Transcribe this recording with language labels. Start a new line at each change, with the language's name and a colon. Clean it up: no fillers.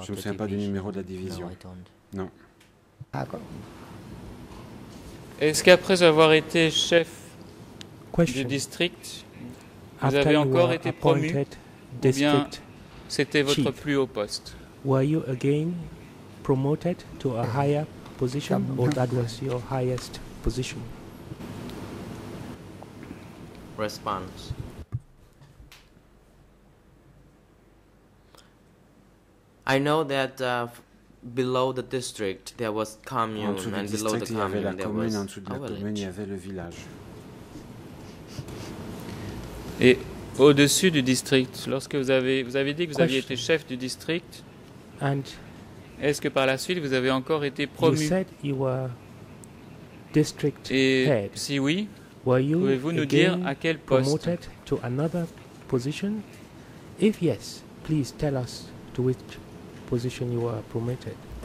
French: je ne me souviens pas du numéro de la division.
English: No, I don't.
French: Non. Est-ce qu'après avoir été chef du district, vous avez encore été promu ou bien c'était votre plus haut poste?
English: Were you again promoted to a higher position or that was your highest position? Response. I know that below the district there was commune and below the commune there was a village.
French: Et au-dessus du district, lorsque vous avez dit que vous aviez été chef du district,
English: and
French: est-ce que par la suite vous avez encore été promu?
English: You said you were district head.
French: Si oui, pouvez-vous nous dire à quel poste?
English: Promoted to another position? If yes, please tell us to which position you were promoted.